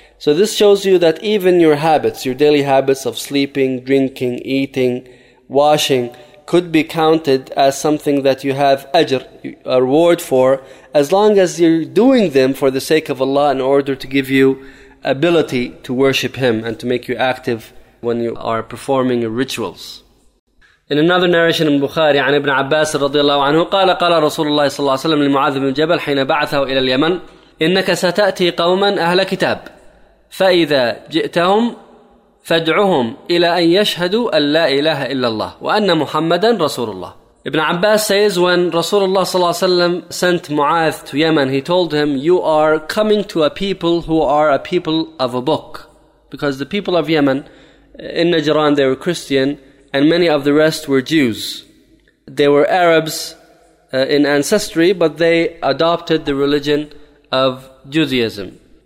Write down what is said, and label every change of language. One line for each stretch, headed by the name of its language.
English: So this shows you that even your habits, your daily habits of sleeping, drinking, eating, washing, could be counted as something that you have ajr, a reward for, as long as you're doing them for the sake of Allah in order to give you ability to worship Him and to make you active when you are performing your rituals. In another narration in Bukhari,
Arabic: عن ابن عباس رضي الله عنه قال قال رسول الله صلى الله عليه وسلم لمعاذ بن جبل حين بعثه إلى اليمن إنك ستأتي قوما أهل كتاب فإذا جئتهم فادعهم إلى أن يشهدوا أن لا إله إلا الله وأن محمدا رسول الله.
English: Ibn Abbas says, when Rasulullah sallallahu alayhi wa sallam sent Mu'adh to Yemen, he told him, you are coming to a people who are a people of a book. Because the people of Yemen, in Najran they were Christian, and many of the rest were Jews. They were Arabs in ancestry, but they adopted the religion of Judaism.